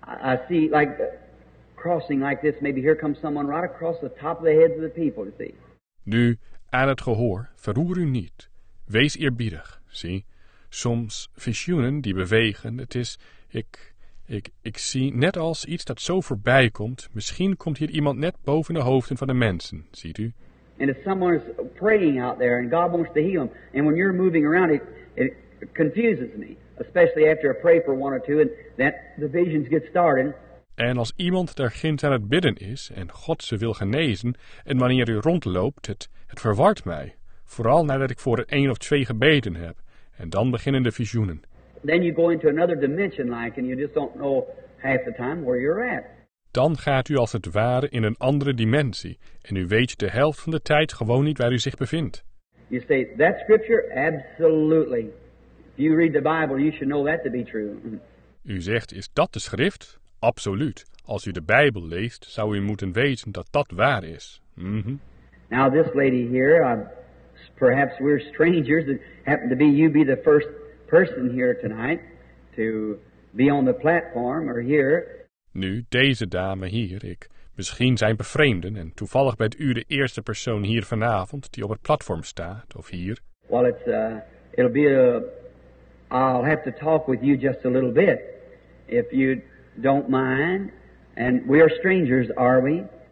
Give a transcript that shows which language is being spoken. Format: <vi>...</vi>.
<en>I see like crossing like this. Maybe here comes someone right across the top of the heads of the people. You see.</en> <nl>Nu aan het gehoor, verroer u niet. Wees eerbiedig. See, soms visioenen die bewegen. Het is, ik zie net als iets dat zo voorbij komt. Misschien komt hier iemand net boven de hoofden van de mensen, ziet u?</nl> <en>And if someone is praying out there and God wants to heal them, and when you're moving around, it confuses me. Especially after I pray for one or two, and that the visions get started.</en> <nl>En als iemand daar ginds aan het bidden is en God ze wil genezen, en wanneer u rondloopt, het verwart mij. Vooral nadat ik voor 1 of 2 gebeden heb. En dan beginnen de visioenen.</nl> <en>Then you go into another dimension, like, and you just don't know half the time where you're at.</en> <nl>Dan gaat u als het ware in een andere dimensie. En u weet de helft van de tijd gewoon niet waar u zich bevindt.</nl> <en>You say, that scripture? Absolutely. If you read the Bible, you should know that to be true.</en> <nl>U zegt, is dat de schrift? Absoluut. Als u de Bijbel leest, zou u moeten weten dat dat waar is.</nl> <en>Now this lady here, perhaps we're strangers. It happened to be you be the first person here tonight to be on the platform or here.</en> <nl>Nu, deze dame hier, misschien zijn we vreemden en toevallig bent u de eerste persoon hier vanavond die op het platform staat, of hier.</nl> <en>Well, I'll have to talk with you just a little bit, if you don't mind. And we are strangers, are we?</en>